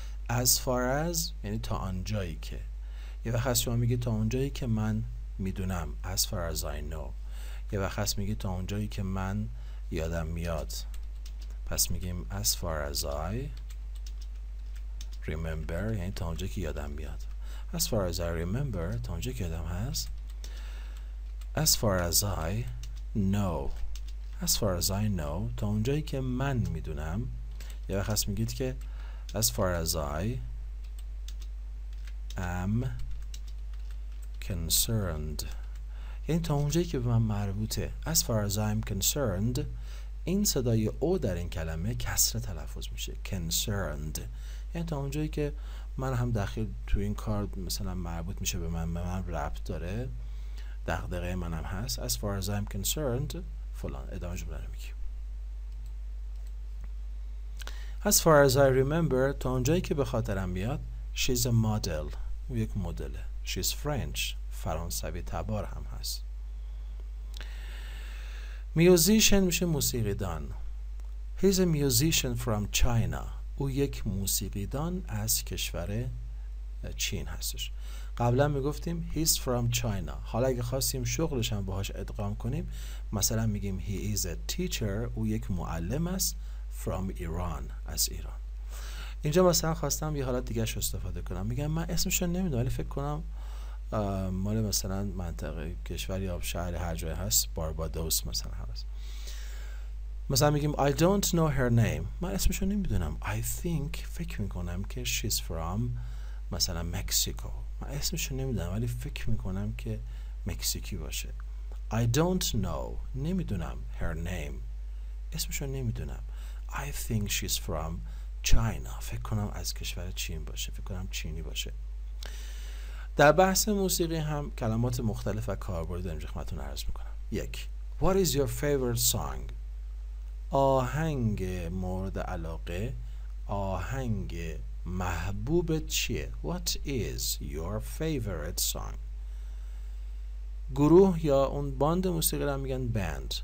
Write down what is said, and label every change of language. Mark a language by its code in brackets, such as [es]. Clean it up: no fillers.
[fa] As far as یعنی تا اونجایی که. یه وقت شما میگید تا اونجایی که من میدونم. [en] As far as I know. [fa] یه وقت میگید تا اونجایی که من یادم میاد. پس میگیم [en] as far as I remember، [fa] یعنی تا اونجا که یادم بیاد. [en] As far as I remember، [fa] تا اونجا که یادم هست. [en] As far as I know، as far as I know، [fa] تا اونجایی که من میدونم. یا وقت هست میگید که [en] as far as I am concerned، [fa] یعنی تا اونجایی که به من مربوطه. [en] As far as I'm concerned، [fa] این صدای او در این کلمه کسر تلفظ میشه concerned، یعنی تا اونجایی که من هم دخیل تو این کار، مثلا مربوط میشه به من، به من ربط داره، دغدغه من هم هست. [en] As far as I'm concerned فلان. [fa] ادامه جمله رو میگیم. [en] As far as I remember، [fa] تا اونجایی که به خاطرم میاد. [en] She's a model، [fa] او یک مدله. [en] She's French، [fa] فرانسوی تبار هم هست. Musician میشه موسیقیدان. [en] He's a musician from China. [fa] او یک موسیقیدان از کشور چین هستش. قبلا میگفتیم [en] he's from China. [fa] حالا اگه خواستیم شغلش هم باهاش ادغام کنیم، مثلا میگیم [en] he is a teacher، [fa] او یک معلم است، [en] from Iran، [fa] از ایران. اینجا مثلا خواستم یه حالت دیگه اش استفاده کنم، میگم من اسمش رو نمیدونم ولی فکر کنم مال مثلا منطقه کشور یا شهر هر جای هست، باربادوس مثلا هست. مثلا میگیم [en] I don't know her name، [fa] من اسمش رو نمیدونم. I think، فکر میکنم که [en] she's from [fa] مثلا مکسیکو، من اسمش رو نمیدونم ولی فکر میکنم که مکسیکی باشه. [en] I don't know، [fa] نمیدونم [en] her name، [fa] اسمش رو نمیدونم. [en] I think she's from China، [fa] فکر کنم از کشور چین باشه، فکر کنم چینی باشه. در بحث موسیقی هم کلمات مختلف و کاربردی داریم خدمتتون عرض میکنم. یک، [en] What is your favorite song؟ [fa] آهنگ مورد علاقه، آهنگ محبوبت چیه؟ What is your favorite song؟ گروه یا اون باند موسیقی رو میگن band.